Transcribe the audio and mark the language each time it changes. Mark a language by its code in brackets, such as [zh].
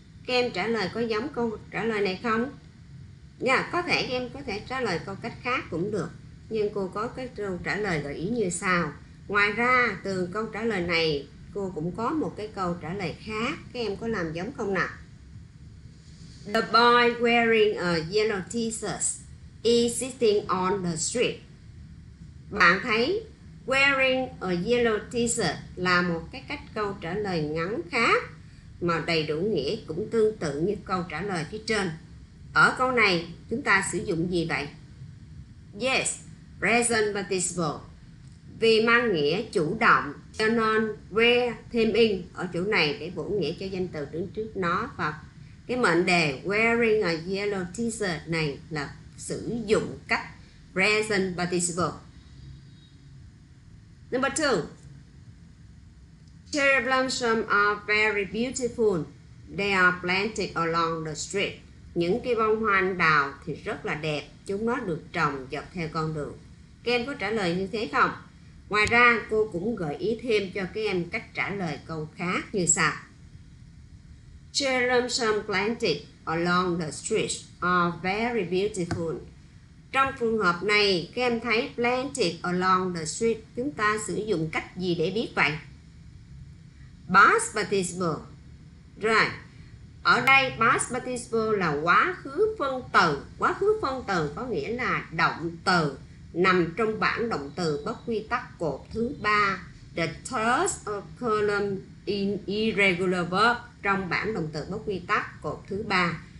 [vi] Các em trả lời có giống câu trả lời này không? Có thể các em có thể trả lời câu cách khác cũng được. Nhưng cô có cái câu trả lời gợi ý như sau. Ngoài ra từ câu trả lời này cô cũng có một cái câu trả lời khác. Các em có làm giống không nào? [en] The boy wearing a yellow t-shirt is sitting on the street. [vi] Bạn thấy [en] wearing a yellow t-shirt [vi] là một cái cách câu trả lời ngắn khác mà đầy đủ nghĩa, cũng tương tự như câu trả lời phía trên. Ở câu này chúng ta sử dụng gì vậy? [en] Yes, present participle. [vi] Vì mang nghĩa chủ động cho nên where thêm in ở chỗ này để bổ nghĩa cho danh từ đứng trước nó. Và cái mệnh đề [en] wearing a yellow t-shirt [vi] này là sử dụng cách present participle. [en] Number two, cherry blossoms are very beautiful. They are planted along the street. [vi] Những cây bông hoa anh đào thì rất là đẹp, chúng nó được trồng dọc theo con đường. Các em có trả lời như thế không? Ngoài ra, cô cũng gợi ý thêm cho các em cách trả lời câu khác như sau. [en] Cherry blossoms planted along the street are very beautiful. [vi] Trong trường hợp này, các em thấy [en] planted along the street, [vi] chúng ta sử dụng cách gì để biết vậy? [en] Past participle. Right. [vi] Ở đây, past participle là quá khứ phân từ. Quá khứ phân từ có nghĩa là động từ nằm trong bảng động từ bất quy tắc cột thứ 3, [en] the third column in irregular verb, [vi] trong bảng động từ bất quy tắc cột thứ 3.